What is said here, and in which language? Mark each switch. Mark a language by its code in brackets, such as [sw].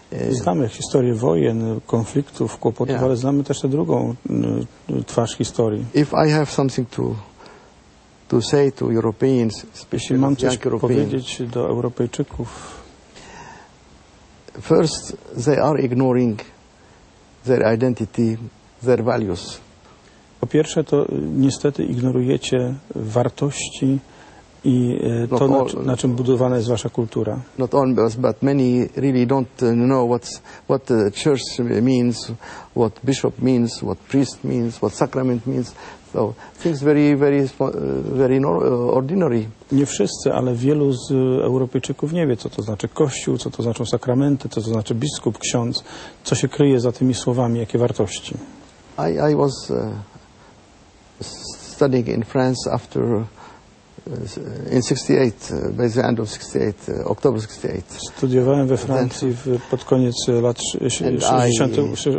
[pl] Znamy historię wojen, konfliktów, kłopotów, yeah. Ale znamy też tę drugą twarz historii. [en] If I have something to say to Europeans, especially [pl] mam coś [en] Europeans, [pl] powiedzieć do Europejczyków. [en] First, they are ignoring their identity, their values. [pl] Po pierwsze, to niestety ignorujecie wartości i to, na czym budowana jest wasza kultura. [en] Not only us, but many really don't know what the church means, what bishop means, what priest means, what sacrament means. So things very ordinary. [pl] Nie wszyscy, ale wielu z Europejczyków nie wie, co to znaczy kościół, co to znaczą sakramenty, co to znaczy biskup, ksiądz, co się kryje za tymi słowami, jakie wartości. [en] I was studying in France after in 68, by the end of 68, October 68. [pl] Studiowałem we Francji pod koniec lat 68.